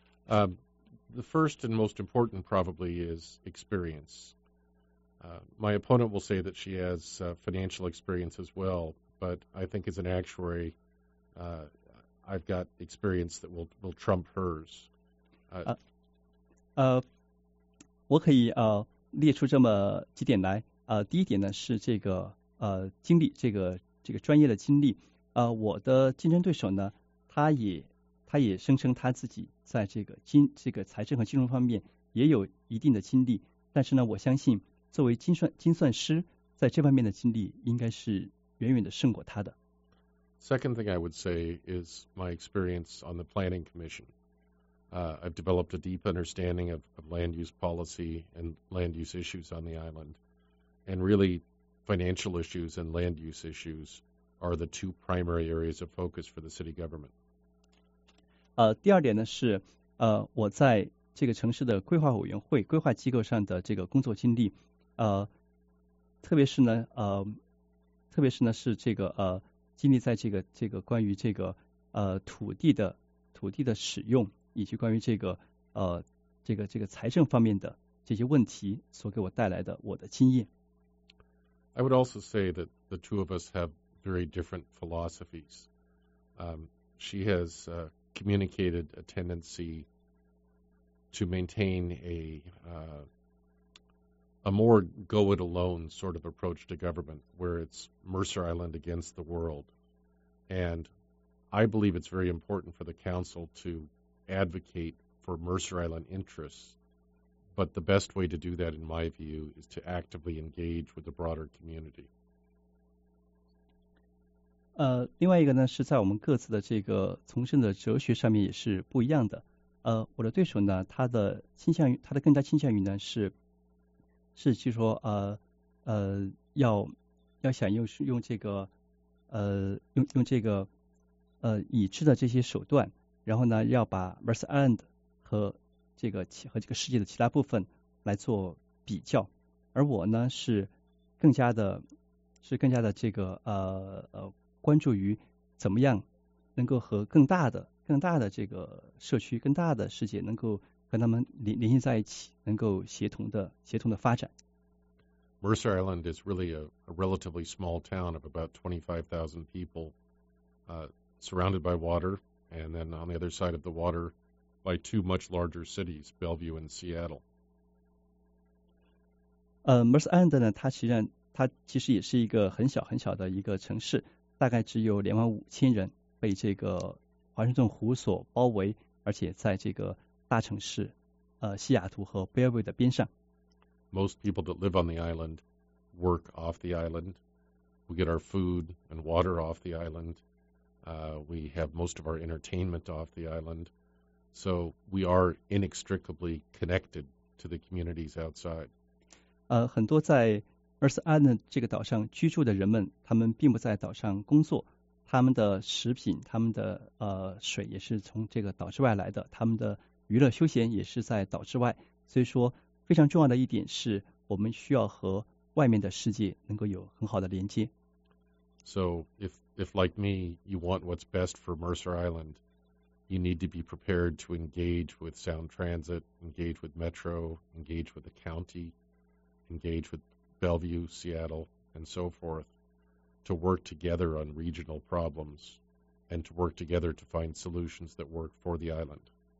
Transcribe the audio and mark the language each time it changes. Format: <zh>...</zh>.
<en>The first and most important probably is experience. My opponent will say that she has financial experience as well, but I think as an actuary, I've got experience that will trump hers.</en> <zh>我可以列出这么几点来。第一点呢是这个经历，这个专业的经历。我的竞争对手呢，他也声称他自己在这个财政和金融方面也有一定的经历，但是呢，我相信作为精算师，在这方面的经历应该是远远的胜过他的。</zh> <en>Second thing I would say is my experience on the Planning Commission. I've developed a deep understanding of land use policy and land use issues on the island. And really, financial issues and land use issues are the two primary areas of focus for the city government.</en> <zh>第二点呢是，我在这个城市的规划委员会、规划机构上的这个工作经历，特别是呢是这个经历在这个关于这个土地的使用，以及关于这个财政方面的这些问题所给我带来的我的经验。</zh> <en>I would also say that the two of us have very different philosophies. She has communicated a tendency to maintain a more go-it-alone sort of approach to government, where it's Mercer Island against the world. And I believe it's very important for the council to advocate for Mercer Island interests. But the best way to do that, in my view, is to actively engage with the broader community.</en> <zh>另外一个呢，是在我们各自的这个从政的哲学上面也是不一样的。我的对手呢，他的更加倾向于呢是就是说要想用这个用这个已知的这些手段，然后呢，要把 Mercer Island 和这个世界的其他部分来做比较，而我呢是更加的这个关注于怎么样能够和更大的这个社区、更大的世界能够跟他们联系在一起，能够协同的发展。</zh> <en>Mercer Island is really a relatively small town of about 25,000 people, surrounded by water, and then on the other side of the water. by two much larger cities, Bellevue and Seattle.</en> <zh>Mercer Island 呢，它其实也是一个很小很小的一个城市，大概只有25,000人，被这个华盛顿湖所包围，而且在这个大城市，西雅图和 Bellevue 的边上。</zh> <en>Most people that live on the island work off the island. We get our food and water off the island. We have most of our entertainment off the island. So we are inextricably connected to the communities outside.</en> <zh>很多在 Mercer Island 这个岛上居住的人们，他们并不在岛上工作，他们的食品，他们的水也是从这个岛之外来的，他们的娱乐休闲也是在岛之外，所以说非常重要的一点是我们需要和外面的世界能够有很好的连接。</zh> <en>So if like me, you want what's best for Mercer Island, you need to be prepared to engage with Sound Transit, engage with Metro, engage with the county, engage with Bellevue, Seattle, and so forth, to work together on regional problems, and to work together to find solutions that work for the island.</en>